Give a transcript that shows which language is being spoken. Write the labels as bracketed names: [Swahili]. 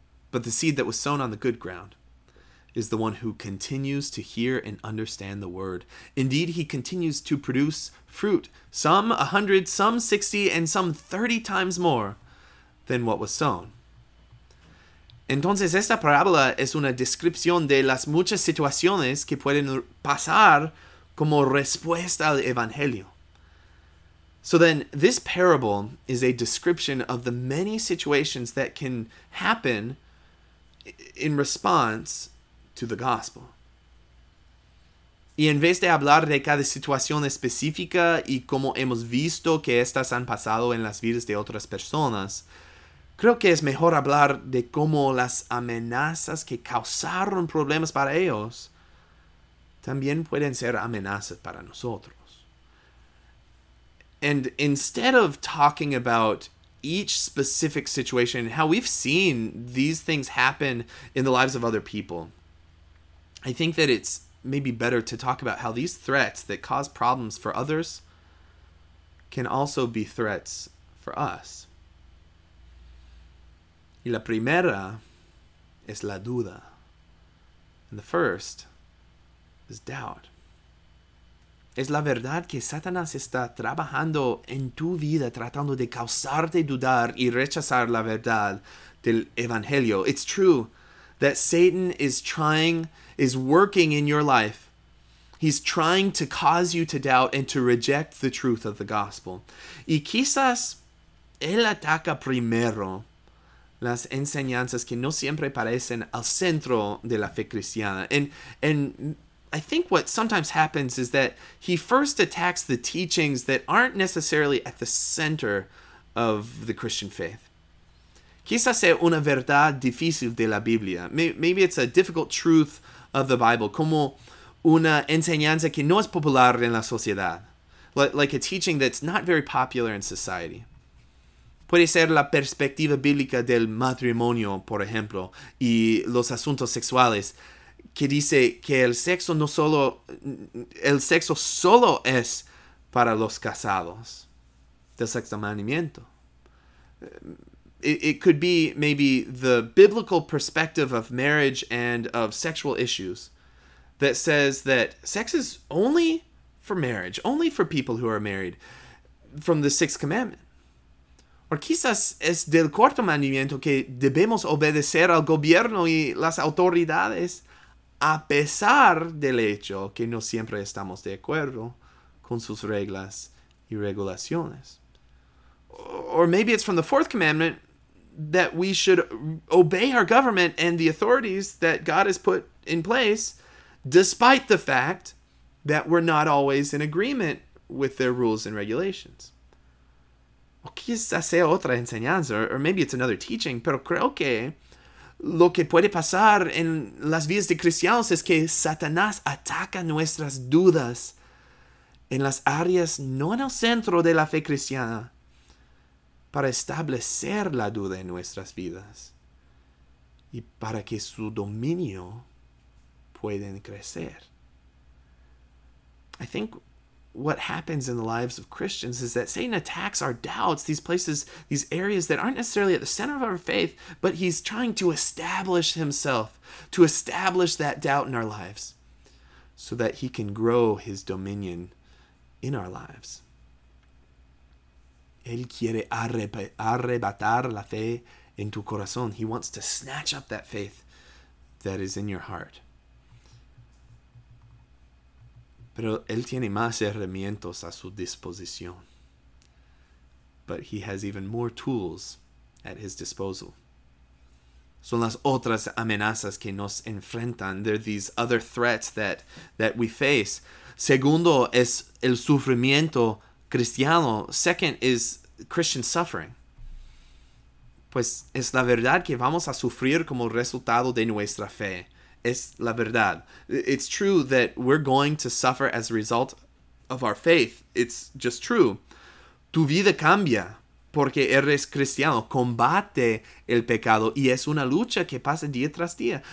[English] But the seed that was sown on the good ground is the one who continues to hear and understand the word. Indeed, he continues to produce fruit, some 100, some 60, and some 30 times more than what was sown." [Spanish] Entonces, esta parábola es una descripción de las muchas situaciones que pueden pasar como respuesta al evangelio. [English] So then, this parable is a description of the many situations that can happen in response to the gospel. [Spanish] Y en vez de hablar de cada situación específica y cómo hemos visto que estas han pasado en las vidas de otras personas, creo que es mejor hablar de cómo las amenazas que causaron problemas para ellos también pueden ser amenazas para nosotros. [English] And instead of talking about each specific situation, how we've seen these things happen in the lives of other people, I think that it's maybe better to talk about how these threats that cause problems for others can also be threats for us. [Spanish] Y la primera es la duda. [English] And the first is doubt. [Spanish] ¿Es la verdad que Satanás está trabajando en tu vida tratando de causarte dudar y rechazar la verdad del Evangelio? [English] It's true that Satan is working in your life. He's trying to cause you to doubt and to reject the truth of the gospel. [Spanish] Y quizás él ataca primero las enseñanzas que no siempre parecen al centro de la fe cristiana. [English] And I think what sometimes happens is that he first attacks the teachings that aren't necessarily at the center of the Christian faith. [Spanish] Quizás sea una verdad difícil de la Biblia. [English] Maybe it's a difficult truth of the Bible, [Spanish] como una enseñanza que no es popular en la sociedad, [English] like a teaching that's not very popular in society. [Spanish] Puede ser la perspectiva bíblica del matrimonio, por ejemplo, y los asuntos sexuales, que dice que el sexo solo es para los casados, del sexto mandamiento. [English] It could be maybe the biblical perspective of marriage and of sexual issues that says that sex is only for marriage, only for people who are married, from the sixth commandment. [Spanish] Or quizás es del cuarto mandamiento que debemos obedecer al gobierno y las autoridades, a pesar del hecho que no siempre estamos de acuerdo con sus reglas y regulaciones. [English] Or maybe it's from the fourth commandment that we should obey our government and the authorities that God has put in place, despite the fact that we're not always in agreement with their rules and regulations. [Spanish] O quizás sea otra enseñanza, [English] or maybe it's another teaching, [Spanish] pero creo que lo que puede pasar en las vidas de cristianos es que Satanás ataca nuestras dudas en las áreas no en el centro de la fe cristiana, para establecer la duda en nuestras vidas y para que su dominio pueda crecer. [English] I think what happens in the lives of Christians is that Satan attacks our doubts, these places, these areas that aren't necessarily at the center of our faith, but he's trying to establish himself, to establish that doubt in our lives so that he can grow his dominion in our lives. [Spanish] Él quiere arrebatar la fe en tu corazón. [English] He wants to snatch up that faith that is in your heart. [Spanish] Pero él tiene más herramientas a su disposición. [English] But he has even more tools at his disposal. [Spanish] Son las otras amenazas que nos enfrentan. [English] They're these other threats that we face. [Spanish] Segundo es el sufrimiento cristiano. [English] Second is Christian suffering. [Spanish] Pues es la verdad que vamos a sufrir como resultado de nuestra fe. Es la verdad. [English] It's true that we're going to suffer as a result of our faith. It's just true. [Spanish] Tu vida cambia porque eres cristiano. Combate el pecado y es una lucha que pasa día tras día.